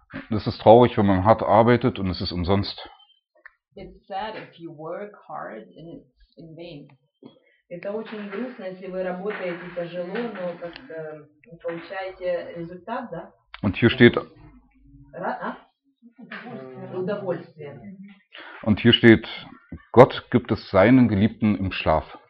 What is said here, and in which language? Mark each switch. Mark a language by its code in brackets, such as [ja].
[de] Das ist traurig, wenn man hart arbeitet und es ist umsonst. [en] It's sad if you work hard and it's in vain. [ru] Это очень грустно, если вы работаете тяжело, но как-то не получаете результат, да? [de] Und hier steht [ru] Удовольствие. [de] Und hier steht, Gott gibt es seinen Geliebten im Schlaf.